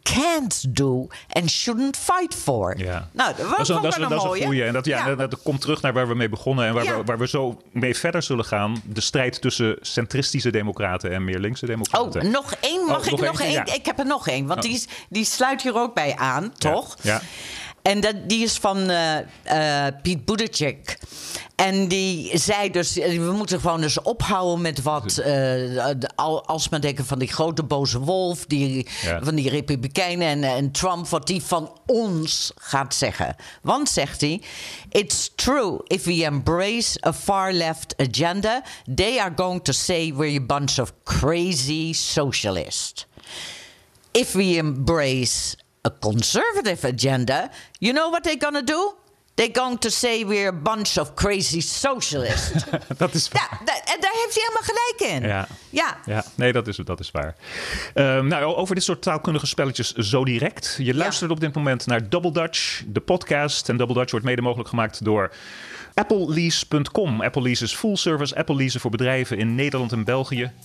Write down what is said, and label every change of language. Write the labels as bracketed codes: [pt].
[en] can't do and shouldn't fight for. [nl] Ja. Nou, dat is een goeie. En dat, dat komt terug naar waar we mee begonnen en waar we zo mee verder zullen gaan. De strijd tussen centristische democraten en meer linkse democraten. Oh, nog één? Mag ik nog één? Ja. Ik heb er nog één, want die sluit hier ook bij aan, toch? Ja. En die is van Piet Buttigieg. En die zei dus, we moeten gewoon eens ophouden met wat, als men denkt van die grote boze wolf, van die Republikeinen en Trump, wat die van ons gaat zeggen. Want, zegt hij, [en] it's true, if we embrace a far left agenda, they are going to say we're a bunch of crazy socialists. If we embrace a conservative agenda, you know what they're gonna do? They're going to say we're a bunch of crazy socialists. [nl] Dat is waar. Daar heeft hij helemaal gelijk in. Ja. Nee, dat is waar. Over dit soort taalkundige spelletjes zo direct. Je luistert op dit moment naar Double Dutch, de podcast. En Double Dutch wordt mede mogelijk gemaakt door AppleLease.com. AppleLease is full service Apple leasen voor bedrijven in Nederland en België.